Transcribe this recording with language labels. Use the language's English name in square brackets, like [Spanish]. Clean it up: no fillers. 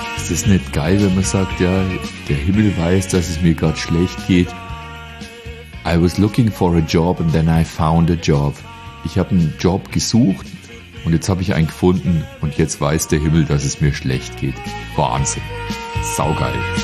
[German] Ist es nicht geil, wenn man sagt, ja, der Himmel weiß, dass es mir gerade schlecht geht? [English] I was looking for a job and then I found a job. [German] Ich habe einen Job gesucht und jetzt habe ich einen gefunden und jetzt weiß der Himmel, dass es mir schlecht geht. Wahnsinn. Saugeil.